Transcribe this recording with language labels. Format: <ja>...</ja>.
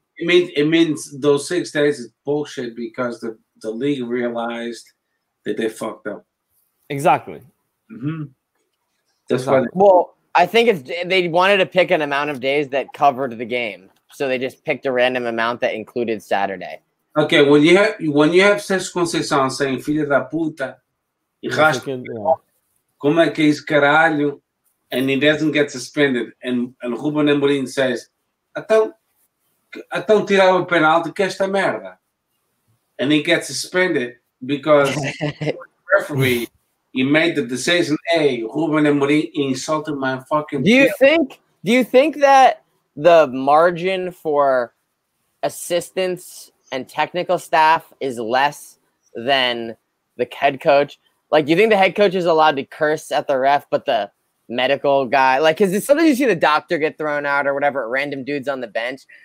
<en>It means those 6 days is bullshit because the league realized that they fucked up. Exactly. I think they wanted to pick an amount of days that covered the game, so they just picked a random amount that included Saturday. Okay, when you have Sérgio Conceição saying</en> <pt>"filha da puta," como é que é esse caralho,</pt> <en>and he doesn't get suspended, and Ruben Amorim says,</en> <pt>"Então tirava o penalti que esta merda,"</pt> <en>and he gets suspended because referee. He made the decision. Hey, Ruben Amorim insulted my fucking. Do you think that the margin for assistants and technical staff is less than the head coach? Like, do you think the head coach is allowed to curse at the ref, but the medical guy, like, because sometimes you see the doctor get thrown out or whatever, random dudes on the bench.</en>